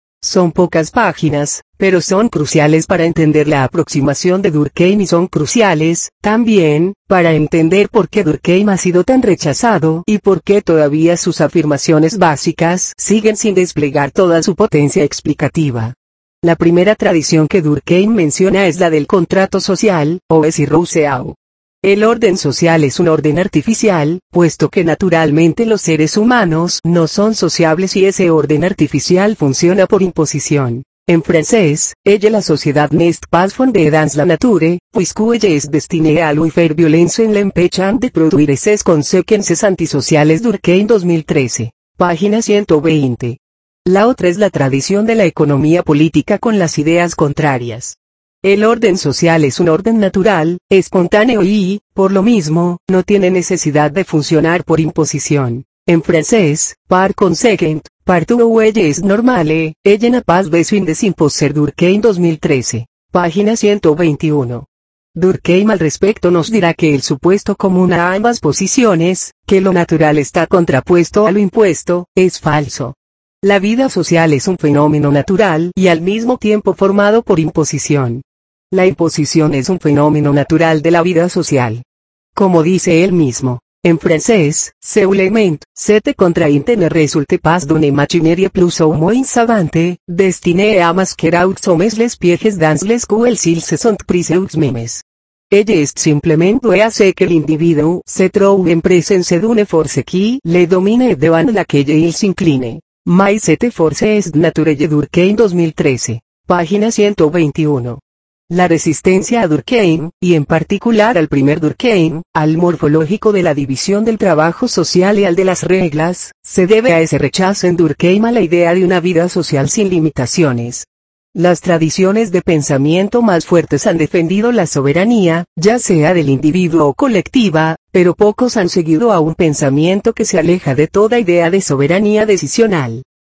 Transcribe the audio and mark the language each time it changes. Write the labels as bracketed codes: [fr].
[es] Son pocas páginas, pero son cruciales para entender la aproximación de Durkheim y son cruciales, también, para entender por qué Durkheim ha sido tan rechazado y por qué todavía sus afirmaciones básicas siguen sin desplegar toda su potencia explicativa. La primera tradición que Durkheim menciona es la del contrato social, o Gesellschaft. El orden social es un orden artificial, puesto que naturalmente los seres humanos no son sociables y ese orden artificial funciona por imposición. En francés, [fr] «Elle [es] la sociedad [fr] n'est pas fondée dans la nature, puisque elle est destinée à lui faire violence en l'empêchant de produire ses conséquences antisociales». [es] Durkheim 2013, página 120. La otra es la tradición de la economía política con las ideas contrarias. El orden social es un orden natural, espontáneo y, por lo mismo, no tiene necesidad de funcionar por imposición. En francés, [fr] par conséquent, partout où elle est normale, elle n'a pas besoin de s'imposer. [es] Durkheim 2013, página 121. Durkheim al respecto nos dirá que el supuesto común a ambas posiciones, que lo natural está contrapuesto a lo impuesto, es falso. La vida social es un fenómeno natural y al mismo tiempo formado por imposición. La imposición es un fenómeno natural de la vida social. Como dice él mismo, en francés, [fr] seulement, cette contrainte ne résulte pas d'une machinerie plus ou moins savante, destinée à masquer aux hommes les pièges dans lesquels ils se sont pris eux-mêmes. Elle est simplement due à ce que l'individu se trouve en présence d'une force qui le domine et devant laquelle il s'incline. Mais cette force est naturelle. [es] Durkheim 2013, página 121. La resistencia a Durkheim, y en particular al primer Durkheim, al morfológico de la división del trabajo social y al de las reglas, se debe a ese rechazo en Durkheim a la idea de una vida social sin limitaciones. Las tradiciones de pensamiento más fuertes han defendido la soberanía, ya sea del individuo o colectiva, pero pocos han seguido a un pensamiento que se aleja de toda idea de soberanía decisional.